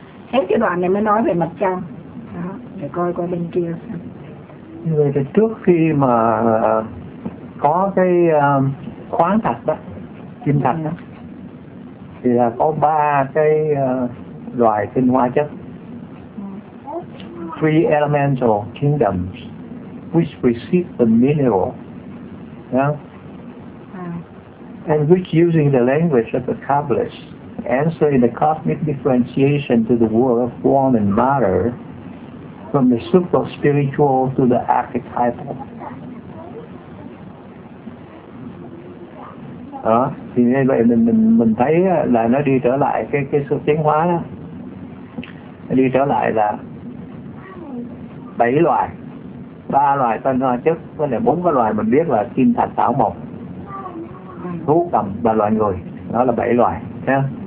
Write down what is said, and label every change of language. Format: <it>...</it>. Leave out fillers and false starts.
<vi>Hết cái đoạn này mới nói về mặt trăng. Đó, để coi qua bên kia xem. Vậy thì trước khi mà có cái khoáng thạch đó, kim thạch đó, thì là có ba cái loài tinh hoa chất.</vi> <en>Three elemental kingdoms which receive the mineral, and which using the language of the Kabbalists answer in the cosmic differentiation to the world of form and matter, from the super spiritual to the archetypal.</en> <vi>Đó, thì như vậy mình thấy là nó đi trở lại cái sự tiến hóa đó, đi trở lại là bảy loài, ba loài tân hoa chất với lại bốn cái loài mình biết là kim thạch thảo mộc thú cầm và loài người, đó là bảy loài nhé.</vi>